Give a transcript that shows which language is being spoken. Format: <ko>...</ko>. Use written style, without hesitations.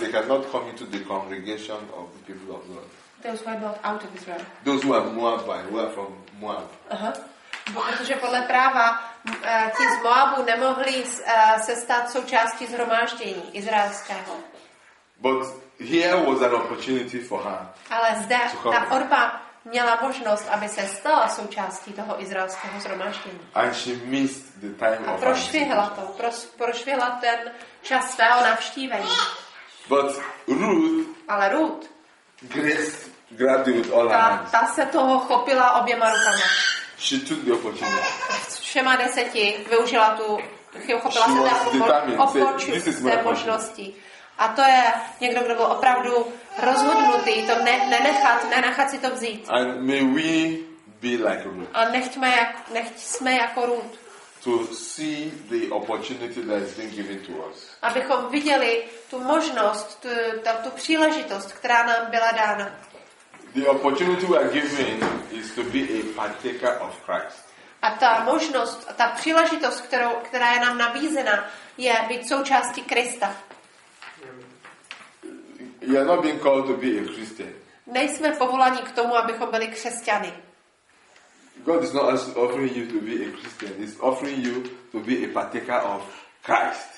<en>they cannot come into the congregation of the people of God. Those who are not out of Israel. Those who are Moabites, who are from Moab.</en> <cs>Protože podle práva ti z Moabu nemohli se stát součástí zhromáždění izraelského.</cs> <en>But here was an opportunity for her.</en> <cs>Ale zde ta Orpa měla možnost, aby se stala součástí toho izraelského zhromáždění.</cs> <en>And she missed the time</en> <cs>of prošvihla to. Prošvihla ten čas svého navštívení.</cs> <en>But Ruth.</en> <cs>Ale Ruth.</cs> <en>Grabbed it with all her hands.</en> <cs>Ta se toho chopila oběma rukama.</cs> <en>She took the opportunity.</en> <cs>Všema deseti využila tu, chopila se té možnosti. A to je někdo, kdo byl opravdu rozhodnutý to nenechat si to vzít.</cs> <en>And may we be like Ruth.</en> <cs>A nechť jsme jako Ruth.</cs> <en>To see the opportunity that has been given to us.</en> <cs>Abychom viděli tu možnost, tu příležitost, která nám byla dána.</cs> <en>The opportunity we are given is to be a partaker of Christ.</en> <cs>A ta možnost, ta příležitost, která je nám nabízena, je být součástí Krista.</cs> <en>You are not being called to be a Christian.</en> <cs>Nejsme povoláni k tomu, abychom byli křesťany.</cs> <en>God is not offering you to be a Christian. He's offering you to be a partaker of Christ.</en>